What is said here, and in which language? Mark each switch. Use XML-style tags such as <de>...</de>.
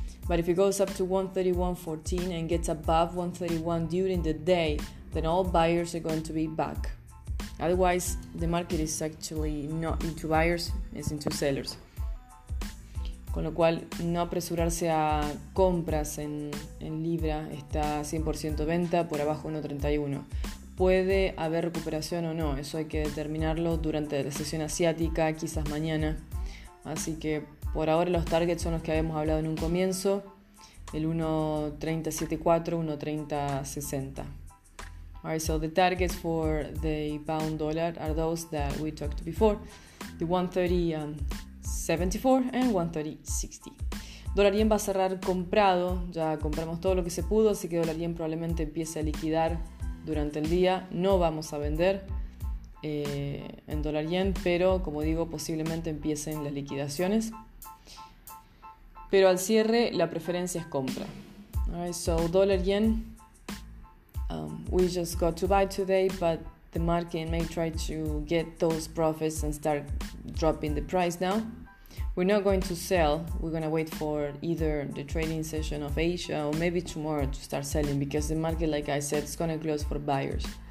<en>But if it goes up to 1.3114 and gets above 1.31 during the day, then all buyers are going to be back. Otherwise, the market is actually not into buyers, it's into sellers.</en> <es>Con lo cual, no apresurarse a compras en libra está 100% venta por abajo 1.31. Puede haber recuperación o no, eso hay que determinarlo durante la sesión asiática, quizás mañana. Así que por ahora los targets son los que habíamos hablado en un comienzo, el 1.3074, 1.3060.</es> <en>Alright, so the targets for the pound dollar are those that we talked before, the 1.3074 and 1.3060.</en> <es>Dólar yen va a cerrar comprado, ya compramos todo lo que se pudo, así que dólar yen probablemente empiece a liquidar durante el día. No vamos a vender en dólar yen, pero como digo, posiblemente empiecen las liquidaciones. Pero al cierre, la preferencia es compra.</es> <en>Alright, so dólar yen, we just got to buy today, but the market may try to get those profits and start dropping the price now. We're not going to sell. We're going to wait for either the trading session of Asia or maybe tomorrow to start selling because the market, like I said, is going to close for buyers.</en>